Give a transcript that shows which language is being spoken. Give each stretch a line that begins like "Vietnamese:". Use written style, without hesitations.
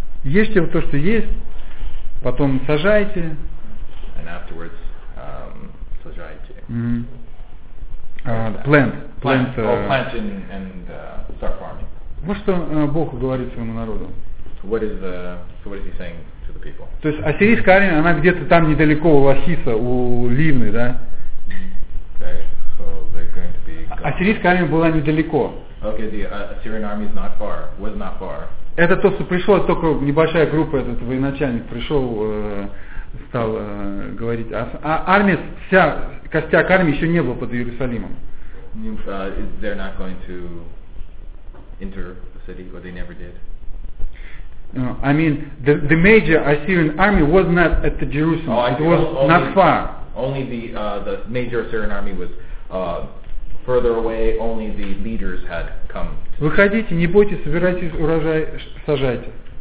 Russian: Ешьте вот то, что есть, потом сажайте.
English: And afterwards,
Russian: сажайте.
English: Plant and start farming.
Russian: Вот что Бог говорит своему народу.
English: What is he saying to the people?
Russian: То есть ассирийская армия, она где-то там недалеко у Лахиса, у Ливны, да?
English: Okay, so they're going to be gone.
Russian: Ассирийская армия была недалеко.
English: Okay, the Assyrian army is not far, was not far.
Russian: Это то, что пришло, только небольшая группа, этот военачальник пришел стал говорить, а армия, вся костяк армии еще не был под Иерусалимом.
English: They're not going to enter the city, or they never did. I mean, the major Assyrian army was not at the Jerusalem. Oh, it was only, not far. Only the major Assyrian army was further away. Only the leaders had come.
Russian: Выходите, не бойтесь, собирайте урожай, сажайте.